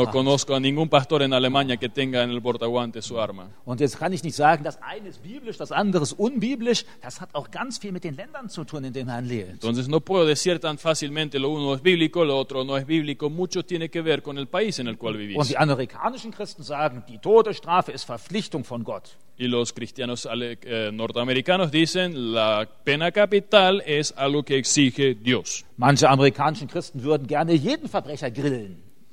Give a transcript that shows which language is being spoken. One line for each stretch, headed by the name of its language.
Spanish: hat. No conozco a ningún pastor en Alemania que tenga en el portaguante su arma.
German: Und jetzt kann ich nicht sagen, das eine ist biblisch, das andere ist unbiblisch. Das hat auch ganz viel mit den Ländern zu tun, in denen man lebt.
Spanish: Entonces no puedo decir tan fácilmente lo uno es bíblico, lo otro no es bíblico. Mucho tiene que ver con el país en el cual vivís.
German: Und die amerikanischen Christen sagen, die Todesstrafe ist Verpflichtung von Gott.
Spanish: Y los cristianos norteamericanos dicen, la pena capital es algo que exige Dios.
German: Manche amerikanischen Christen würden gerne jeden Verbrecher grillen.